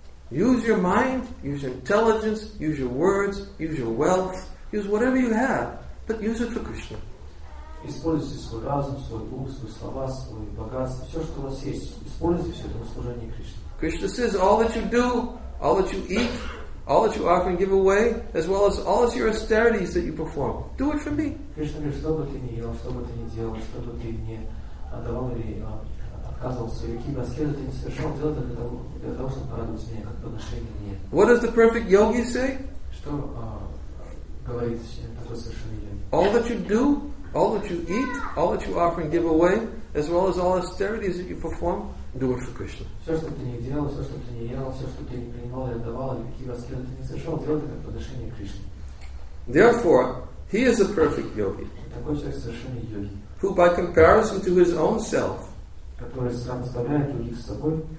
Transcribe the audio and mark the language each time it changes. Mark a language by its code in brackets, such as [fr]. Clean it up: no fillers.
[en] Use your mind, use your intelligence, use your words, use your wealth, use whatever you have, but use it for Krishna. [ru] Используйте свой разум, свой ум, свои слова, свои богатства, все, что у вас есть. Используйте все это в служении Кришне. [en] Krishna says, all that you do, all that you eat, all that you offer and give away, as well as all of your austerities that you perform, do it for me. [ru] Krishna говорит, что бы ты ни ел, что бы ты ни делал, что бы ты ни отдавал или отказывался, какие бы аскезы ты ни совершал, делай это для того, чтобы порадовать меня, как подношение мне. [en] What does the perfect yogi say? [ru] Что говорит такой совершенный йоги? [en] All that you do, all that you eat, all that you offer and give away, as well as all austerities that you perform, do it for Krishna. [ru] Все, что ты не делал, все, что ты не ел, все, что ты не принимал и отдавал, и какие аскезы ты не совершал, делай это как подношение Кришне. [en] Therefore, he is a perfect yogi. [ru] Такой человек совершенный йоги. [en] Who, by comparison to his own self, [ru] который сравнивает других с собой,